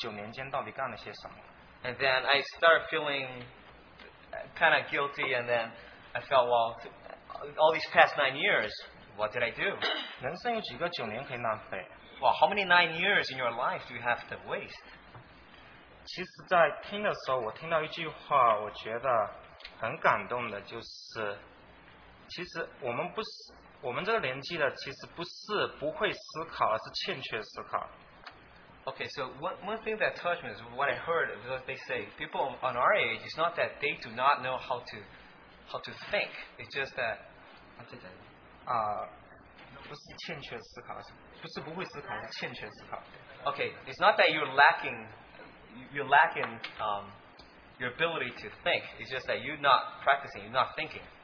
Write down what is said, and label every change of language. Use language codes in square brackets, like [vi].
[en] And then I started feeling kind of guilty, and then I felt, well, all these past 9 years, what did I do? [zh] 人生有几个九年可以浪费? [en] Well, how many 9 years in your life do you have to waste? [zh] 其实在听的时候,我听到一句话,我觉得很感动的,就是,其实我们不是,我们这个年纪的,其实不是不会思考,而是欠缺思考。 [en] Okay, so one thing that touched me is what I heard is what they say. People on our age, it's not that they do not know how to think. It's just that [zh] 不是欠缺思考，不是不会思考，是欠缺思考。 [en] Okay, it's not that you're lacking your ability to think. It's just that you're not practicing, you're not thinking.